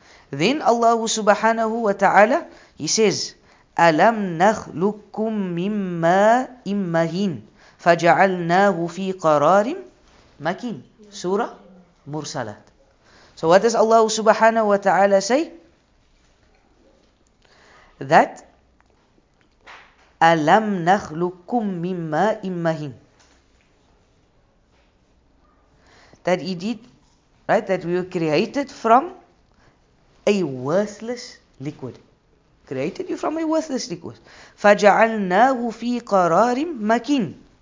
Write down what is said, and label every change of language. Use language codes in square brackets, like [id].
[en] Then Allah subhanahu wa ta'ala, he says, [ar] أَلَمْ نَخْلُقْكُمْ مِنْ مَاءٍ مَهِينٍ فَجَعَلْنَاهُ فِي قَرَارٍ مَكِينٍ. [en] Surah Mursalat. So what does Allah subhanahu wa ta'ala say? [ar] That أَلَمْ نَخْلُقْكُمْ مِنْ مَاءٍ مَهِينٍ. [en] That he did, right, that we were created from a worthless liquid. Created you from a worthless liquid. [ar] فَجَعَلْنَاهُ فِي قَرَارٍ مَكِينٍ.